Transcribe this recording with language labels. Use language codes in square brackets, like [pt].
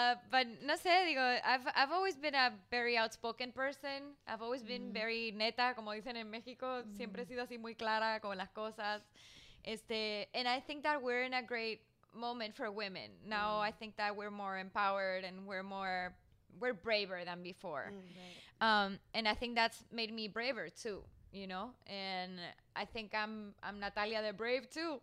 [en] But [es] no sé, digo, [en] I've always been a very outspoken person. I've always been very [es] neta, como dicen en México. Siempre he sido así muy clara con las cosas. [en] And I think that we're in a great moment for women now. I think that we're more empowered and we're braver than before. And I think that's made me braver too, you know, and I think I'm Natalia the brave too.